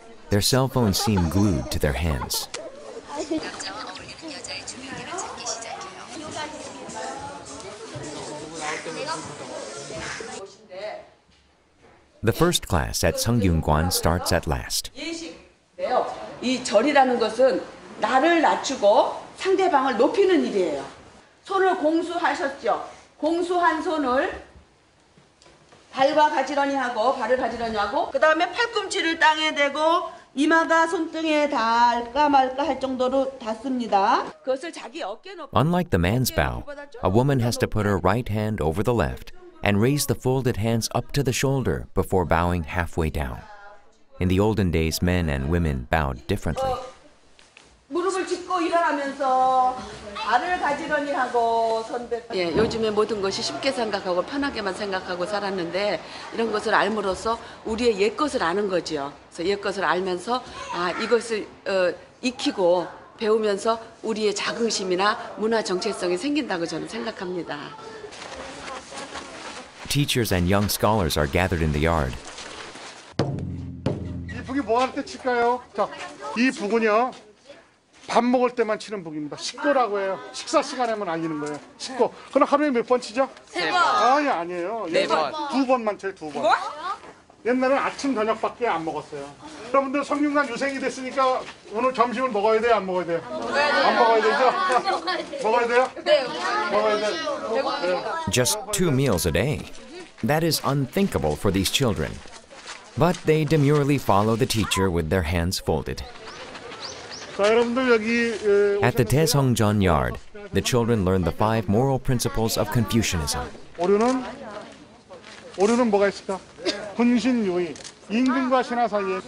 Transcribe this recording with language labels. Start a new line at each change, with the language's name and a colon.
English: Their cell phones seem glued to their hands. The first class at Sungkyunkwan starts at last.
Korean: 이 절이라는 것은 나를 낮추고 상대방을 높이는 일이에요. 손을 공수하셨죠. 공수한 손을 발과 가지런히 하고 발을 가지런히 하고 그 다음에 팔꿈치를 땅에 대고 이마가 손등에 닿을까 말까 할 정도로 닿습니다. 그것을 자기 어깨 높이.
English: Unlike the man's bow, a woman has to put her right hand over the left and raise the folded hands up to the shoulder before bowing halfway down. In the olden days, men and women bowed differently.
Korean: 무릎을 짚고 일어나면서 발을 가지런히 하고 선배. 예, 요즘에 모든 것이 쉽게 생각하고 편하게만 생각하고 살았는데 이런 것을 알므로써 우리의 옛 것을 아는 거지요. 그래서 옛 것을 알면서 아 이것을 익히고 배우면서 우리의 자긍심이나 문화 정체성이 생긴다고 저는 생각합니다.
English: Teachers and young scholars are gathered in the yard.
Korean: 이 북이 뭐 할 때 칠까요? 자, 이 북은요. 밥 먹을 때만 치는 북입니다. 식고라고 해요. 식사 시간에만 알리는 거예요. 식고. 그럼 하루에 몇 번 치죠? 세 번. 아니 아니에요. 네 번. 두 번만 쳐요. 두 번. 뭐? 옛날에는 아침 저녁밖에 안 먹었어요. 여러분들 성균관 유생이 됐으니까 오늘 점심을 먹어야 돼요? 안 먹어야 돼요? 안 먹어야 되죠? 먹어야 돼요? 네. 먹어야 돼요?
English: Just two meals a day. That is unthinkable for these children. But they demurely follow the teacher with their hands folded. At the Taesongjeon yard, the children learn the five moral principles of Confucianism.
Korean: 오류는 오류는 뭐가 있을까? 군신유의, 임금과 신하 사이에